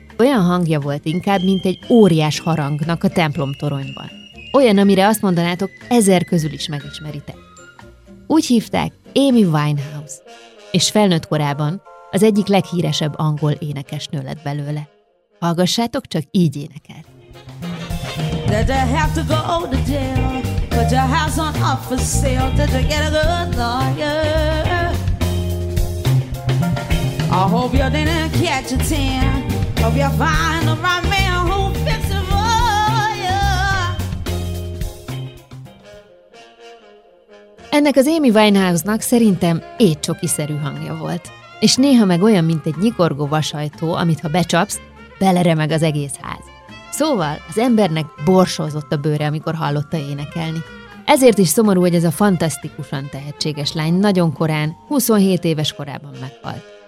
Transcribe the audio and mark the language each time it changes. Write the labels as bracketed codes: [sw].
[hu] Olyan hangja volt inkább, mint egy óriás harangnak a templom toronyban. Olyan, amire azt mondanátok, ezer közül is megismeritek. Úgy hívták Amy Winehouse, és felnőtt korában az egyik leghíresebb angol énekesnő lett belőle. Hallgassátok, csak így énekel. [en] Did you have to go to jail? Put your house on up for sale? Did you get a good lawyer? I hope you didn't catch a tan. Hope you find the right man who fixes it for you. [hu] Ennek az Amy Winehouse-nak szerintem étcsokiszerű hangja volt. És néha meg olyan, mint egy nyikorgó vasajtó, amit ha becsapsz, beleremeg az egész ház. Szóval az embernek borsózott a bőre, amikor hallotta énekelni. Ezért is szomorú, hogy ez a fantasztikusan tehetséges lány nagyon korán, 27 éves korában meghalt.